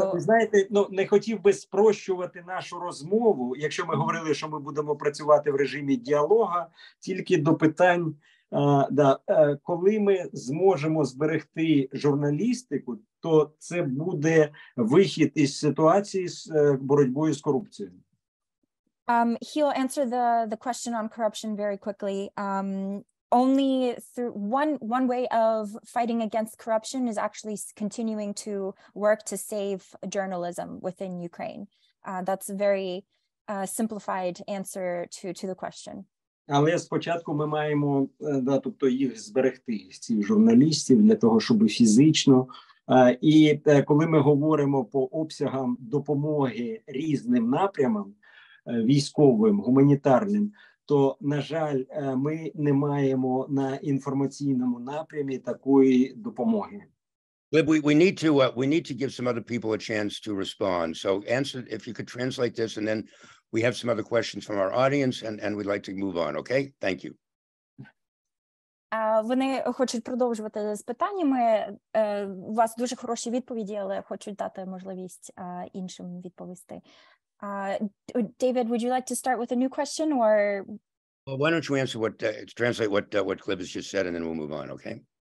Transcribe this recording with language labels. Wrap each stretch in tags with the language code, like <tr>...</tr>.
<uk>Знаєте, ну, не хотів би спрощувати нашу розмову, якщо ми говорили, що ми будемо працювати в режимі діалога, тільки до питань, да, коли ми зможемо зберегти журналістику, то це буде вихід із ситуації з боротьбою з корупцією.</uk> <en>He'll answer the question on corruption very quickly. Only through one way of fighting against corruption is actually continuing to work to save journalism within Ukraine. That's a very simplified answer to the question.</en> <uk>Але спочатку ми маємо, да, тобто їх зберегти, цих журналістів, для того, щоб фізично. І коли ми говоримо по обсягам допомоги різним напрямам, військовим, гуманітарним, то, на жаль, ми не маємо на інформаційному напрямі такої допомоги.</uk> <en>We need to give some other people a chance to respond. So answer, if you could translate this, and then we have some other questions from our audience, and we'd like to move on, okay? Thank you.</en> <uk>Вони хочуть продовжувати з питаннями. У вас дуже хороші відповіді, але хочуть дати можливість іншим відповісти.</uk> <en>David, would you like to start with a new question, or? Well, why don't you answer translate what Glib has just said, and then we'll move on, okay?</en>